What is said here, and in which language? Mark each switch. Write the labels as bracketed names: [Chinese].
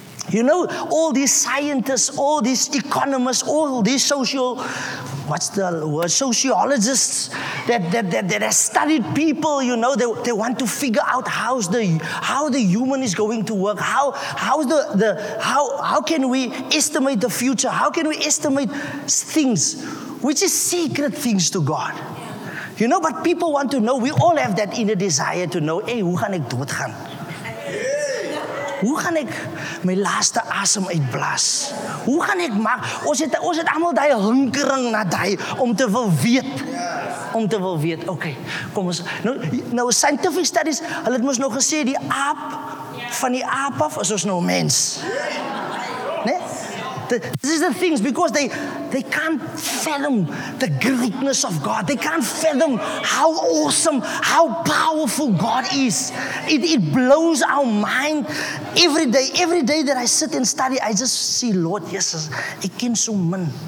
[English] You know, all these scientists, all these economists, all these sociologists that have studied people, you know, they want to figure out how the human is going to work, how can we estimate the future, how can we estimate things, which is secret things to God. You know, but people want to know, we all have that inner desire to know, hey, [Afrikaans] hoe gaan ek doodgaan? Hoe gaan ek my laaste asem uitblaas? Hoe gaan ek maak? Ons het almal daai hinkering na daai om te wil weet. Om te wil weet. Okay. Kom ons nou scientific studies. Hulle het mos nou gesê die aap van die aap af is ons nou mens. Nee? [English] This is the things because they can't fathom the greatness of God. They can't fathom how awesome, how powerful God is. It blows our mind every day. Every day that I sit and study, I just see, Lord, Jesus, [Afrikaans] ek ken so min.